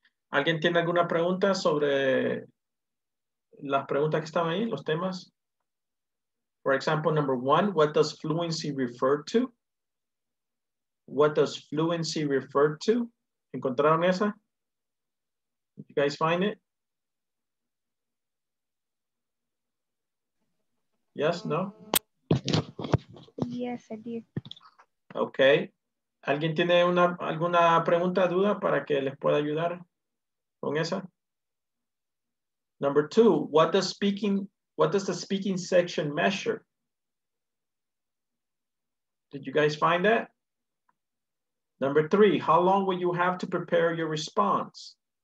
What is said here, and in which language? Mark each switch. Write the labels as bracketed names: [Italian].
[Spanish] ¿Alguien tiene alguna pregunta sobre las preguntas que estaban ahí, los temas? [English] For example, number one, what does fluency refer to? What does fluency refer to? [Spanish] ¿Encontraron esa? [English] You guys find it? Yes, no? Yes, I did. Okay. [Spanish] ¿Alguien tiene una, alguna pregunta, duda para que les pueda ayudar con esa? [English] Number two, what does the speaking section measure? Did you guys find that? Number three, how long will you have to prepare your response?